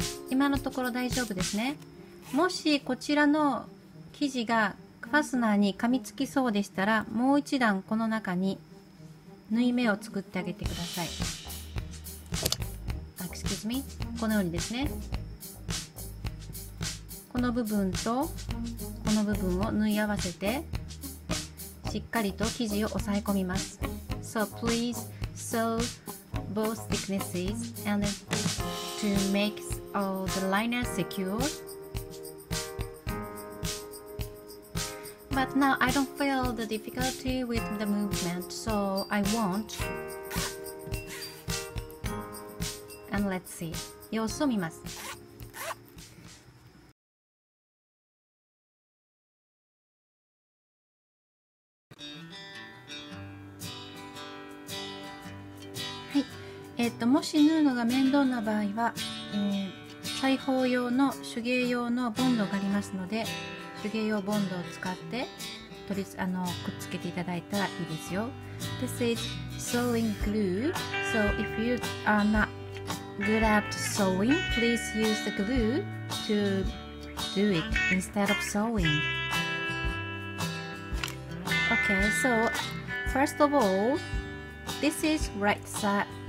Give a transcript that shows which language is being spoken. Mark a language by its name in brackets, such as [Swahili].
[Japanese] 今のところ大丈夫ですね。もしこちらの生地がファスナーに噛みつきそうでしたら、もう一段この中に縫い目を作ってあげてください。 [English] Excuse me. [Japanese] このようにですね、この部分とこの部分を縫い合わせてしっかりと生地を押さえ込みます。 [English] So please sew both thicknesses and to makeOh, the liner secured. But now I don't feel the difficulty with the movement, so I won't. And let's see. [Japanese] 様子を見ます。はい。もし縫うのが面倒な場合は、裁縫用の手芸用のボンドがありますので、手芸用ボンドを使って取りくっつけていただいたらいいですよ。 [English] This is sewing glue. So if you are not good at sewing, please use the glue to do it instead of sewing. Okay, so first of all, this is right side.